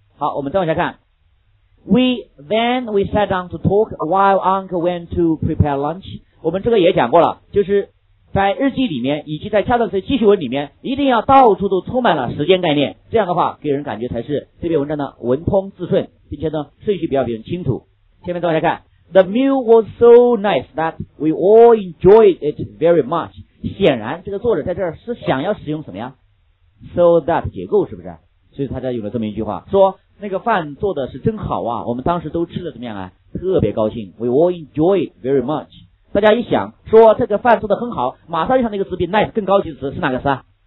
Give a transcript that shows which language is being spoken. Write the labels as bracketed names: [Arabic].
[Chinese] 好，我们再往下看。 [English] Then we sat down to talk while uncle went to prepare lunch。 [Chinese] 我们这个也讲过了，就是在日记里面以及在校正式记叙文里面，一定要到处都充满了时间概念，这样的话给人感觉才是这篇文章的文通字顺，并且呢顺序比较比较清楚。下面再往下看。 [English] The meal was so nice that we all enjoyed it very much。 [Chinese] 显然这个作者在这儿是想要使用什么呀？ so that 结构，是不是？所以他才有了这么一句话，说那个饭做的是真好啊，我们当时都吃的怎么样啊？特别高兴， [English] we all enjoyed very much。 [Chinese] 大家一想说这个饭做的很好，马上就想那个词比 nice 更高级的词是哪个词啊？